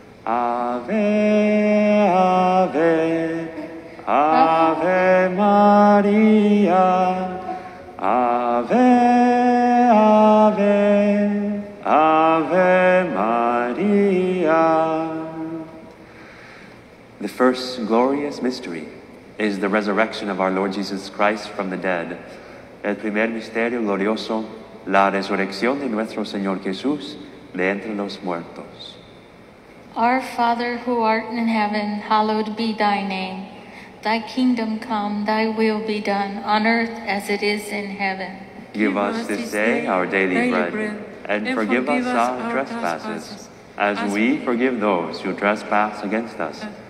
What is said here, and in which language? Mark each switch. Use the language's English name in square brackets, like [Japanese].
[Latin] Ave, Ave, Ave Maria. Ave, Ave, Ave Maria. [English] The first glorious mystery is the resurrection of our Lord Jesus Christ from the dead. [Spanish] El primer misterio glorioso, la resurrección de nuestro Señor Jesús de entre los muertos. [English] Our Father, who art in heaven, hallowed be thy name. Thy kingdom come, thy will be done, on earth as it is in heaven. Give us this day our daily bread, and forgive us our trespasses, as we forgive those who trespass against us.